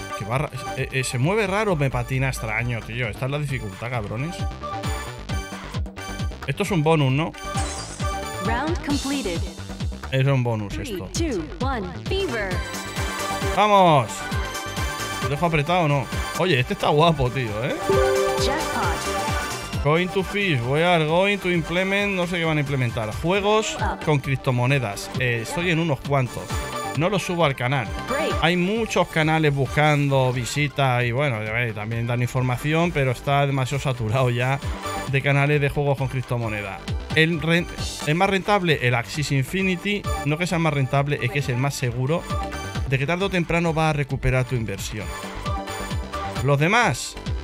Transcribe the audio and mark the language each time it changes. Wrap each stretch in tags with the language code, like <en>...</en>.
<es>Que va se mueve raro, me patina extraño, tío. Esta es la dificultad, cabrones. Esto es un bonus, ¿no?</es> <en>Round completed.</en> <es>Es un bonus esto. 3, 2, 1, fever. ¡Vamos! ¿Lo dejo apretado o no? Oye, este está guapo, tío, ¿eh? Jackpot.</es> <en>Going to fish, we are going to implement.</en> <es>No sé qué van a implementar. Juegos con criptomonedas. Estoy en unos cuantos. No los subo al canal. Hay muchos canales buscando visitas y bueno, también dan información, pero está demasiado saturado ya de canales de juegos con criptomonedas. El más rentable, el Axis Infinity. No que sea el más rentable, es que es el más seguro de que tarde o temprano va a recuperar tu inversión. Los demás.</es>